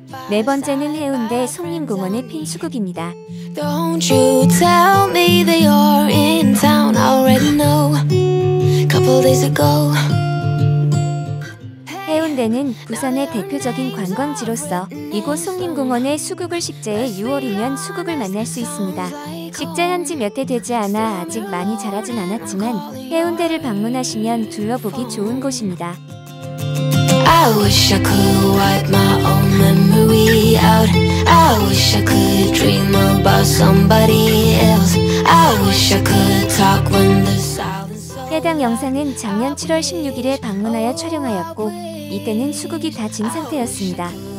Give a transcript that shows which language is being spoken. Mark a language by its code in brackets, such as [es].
[ko] 네 번째는 해운대 송림공원의 핀 수국입니다. [en] Don't you tell me that you're in town already know couple days ago [ko] 해운대는 부산의 대표적인 관광지로서 이곳 송림공원의 수국을 식재해 6월이면 수국을 만날 수 있습니다. 식재한 지 몇 해 되지 않아 아직 많이 자라진 않았지만 해운대를 방문하시면 둘러보기 좋은 곳입니다. [en] I wish I could wipe my own memory out. I wish I could dream about somebody else. I wish I could talk when the silence. [ko] 해당 영상은 작년 7월 16일에 방문하여 촬영하였고 이때는 수국이 다 진 상태였습니다.